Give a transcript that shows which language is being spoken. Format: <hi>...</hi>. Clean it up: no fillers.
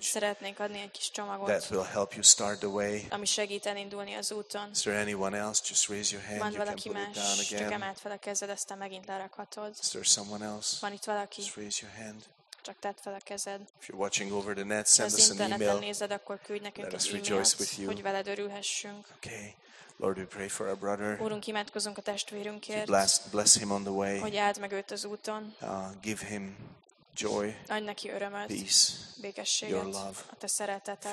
<hu>Szeretnék adni egy kis csomagot.</hu> <en>That will help you start the way.</en> <hu>Ami segít elindulni az úton.</hu> <en>Is there anyone else? Just raise your hand.</en> <hu>Van valaki</hu> <en>you</en> <hu>más?</hu> <en>Down again.</en> <hu>Csak emeld fel a kezed, aztán megint lerakhatod.</hu> <en>Is there someone else?</en> <hu>Van itt valaki?</hu> <en>Just raise your hand.</en> <hu>Csak tedd fel a kezed.</hu> <en>If you're watching over the net, send us an email.</en> <hu>Nézed, akkor küldj nekünk egy e-mailt, hogy veled örülhessünk.</hu> <en>Okay. Lord, we pray for our brother.</en> <hu>Úrunk, imádkozunk a testvérünkért.</hu> <en>Bless him on the way.</en> <hu>Hogy áld meg őt az úton.</hu> <en>Give him joy.</en> <hu>Adj neki örömet.</hu> <en>Peace.</en> <hu>Békességet.</hu> <en>Your love.</en> <hu>A te szereteted.</hu>